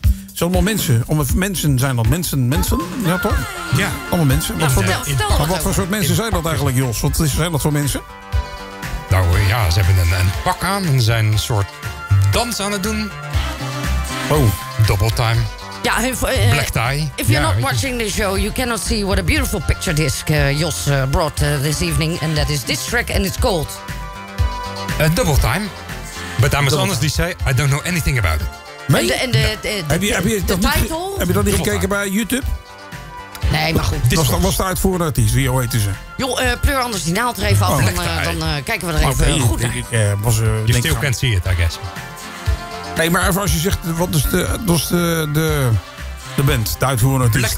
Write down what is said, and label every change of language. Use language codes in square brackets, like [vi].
[nl] Het zijn allemaal mensen. Mensen zijn dat mensen? Mensen? Ja, toch? Ja. Allemaal mensen. Ja, wat voor soort mensen zijn dat eigenlijk, Jos? Wat zijn dat voor mensen? Nou ja, ze hebben een pak aan en zijn een soort dans aan het doen. Oh. [en] Double time. [nl] Ja, [en] black tie. If you're not watching the show, you cannot see what a beautiful picture disc Jos brought this evening. And that is this track and it's called... Double time. But I'm as honest as they say, I don't know anything about it. [nl] Nee? Heb je dat niet gekeken bij YouTube? Nee, maar goed. Was de uitvoerende artiest? Wie heet ze? Joh, pleur anders die naald er even af. Dan kijken we er even goed naar. [en] You still can't see it, I guess. [nl] Nee, maar even als je zegt, wat is de band, de uitvoerende artiest?